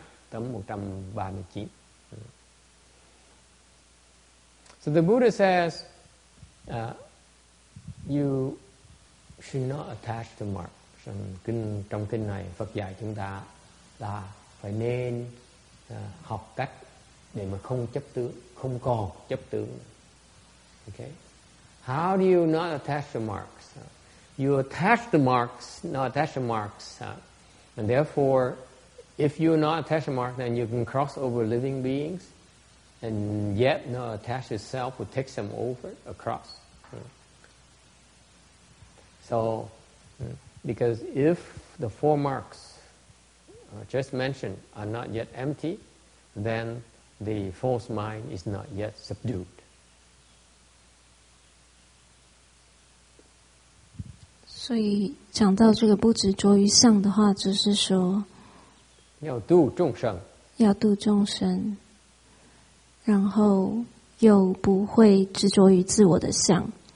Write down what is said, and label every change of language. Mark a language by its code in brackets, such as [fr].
[vi] Tấm 139. [en] So the Buddha says, you should not attach to mark. [vi] Trong kinh này, Phật dạy chúng ta. Là phải nên học cách để mà không chấp tướng, không còn chấp tướng. [en] Okay. How do you not attach the marks? You attach the marks, not attach the marks. And therefore, if you're not attached to marks, then you can cross over living beings and yet not attach yourself who takes them over, across. So, because if the four marksjust mentioned are not yet empty, then the false mind is not yet subdued. [zh] 所以讲到这个不执着于相的话，就是说要度众生，要度众生，然后又不会执着于自我的相。